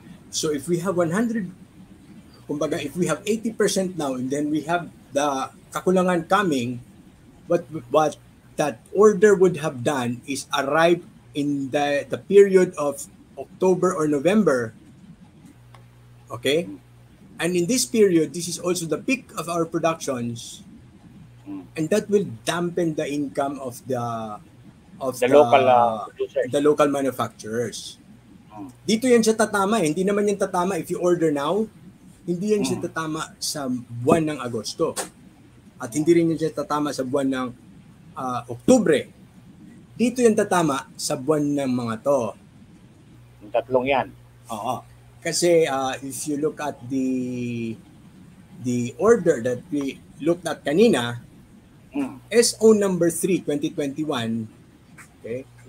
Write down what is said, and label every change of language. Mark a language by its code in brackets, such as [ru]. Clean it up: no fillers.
[en] So if we have 100, kumbaga if we have 80% now and then we have the kakulangan coming, what that order would have done is arrive in the period of October or November. Okay? And in this period, this is also the peak of our productions and that will dampen the income of the local manufacturers. [tl] Dito yan siya tatama. Hindi naman yan tatama [en] if you order now. [tl] Hindi yan siya tatama sa buwan ng Agosto. At hindi rin yan siya tatama sa buwan ng Oktubre. Dito yan tatama sa buwan ng mga to. Yung tatlong yan. Oo. [en] Kasi if you look at the order that we looked at kanina, SO number 3, 2021, okay.